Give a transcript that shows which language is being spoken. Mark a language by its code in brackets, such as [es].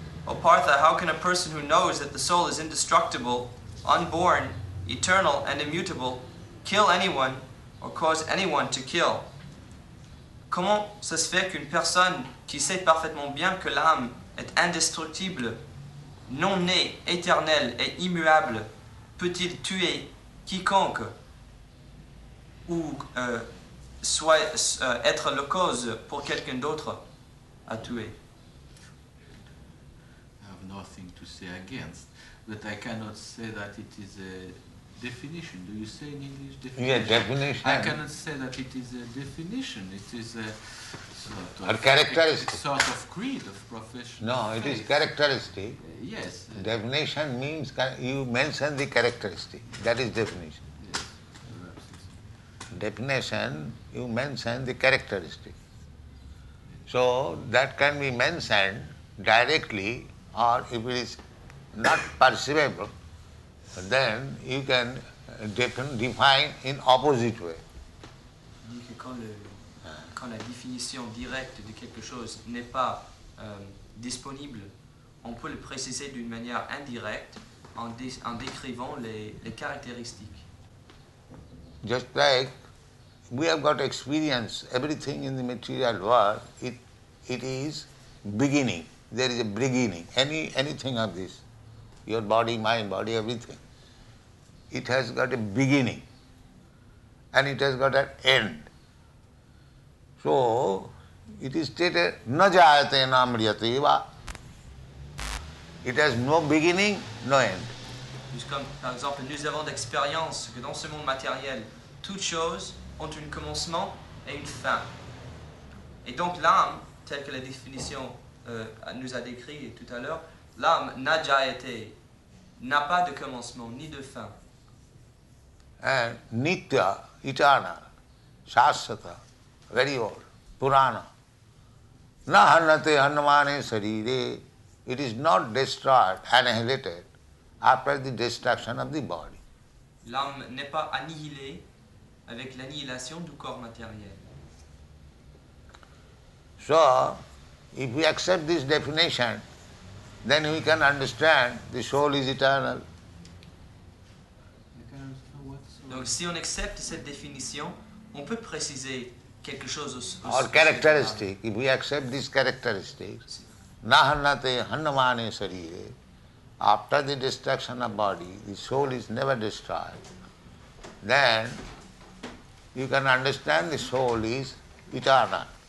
[en] O Partha, how can a person who knows that the soul is indestructible, unborn, eternal, and immutable, kill anyone or cause anyone to kill? [fr] Comment ça se fait qu'une personne qui sait parfaitement bien que l'âme est indestructible, non née, éternelle et immuable, peut-il tuer quiconque ou être la cause pour quelqu'un d'autre à tuer? [en] Nothing to say against, but I cannot say that it is a definition. Do you say in English definition? Yeah, definition. I cannot say that it is a definition. It is a sort of a characteristic. It's a sort of creed of profession. No, of it is characteristic. Yes. Definition means you mention the characteristic. That is definition. Yes, absolutely. Definition, you mention the characteristic. So that can be mentioned directly. Or if it is not perceivable, then you can define in opposite way. [fr] Dit que quand, quand la définition directe de quelque chose n'est pas disponible, on peut le préciser d'une manière indirecte en décrivant les caractéristiques. [en] Just like we have got experience, everything in the material world, it is beginning. There is a beginning, anything of this, your body, mind, body, everything. It has got a beginning and it has got an end. So, it is stated, [sa] na jayate na mriyate va. [en] It has no beginning, no end. [fr] Just comme, par exemple, nous avons d'expérience que dans ce monde matériel, toutes choses ont un commencement et une fin. Et donc l'âme, telle que la définition nous a décrit tout à l'heure, l'âme n'a déjà été, n'a pas de commencement ni de fin. [en] And nitya, eternal, shashvata, very old, purana, [sa] na hannate hannamane sarire, [en] it is not destroyed, annihilated, after the destruction of the body. [fr] L'âme n'est pas annihilée avec l'annihilation du corps matériel. [en] So, if we accept this definition, then we can understand the soul is eternal. [fr] Donc, si on accepte cette définition, on peut préciser quelque chose au sujet. [en] Or characteristic. If we accept this characteristic, [sa] na hannate hannamane sarire, [en] after the destruction of body, the soul is never destroyed. Then you can understand the soul is eternal.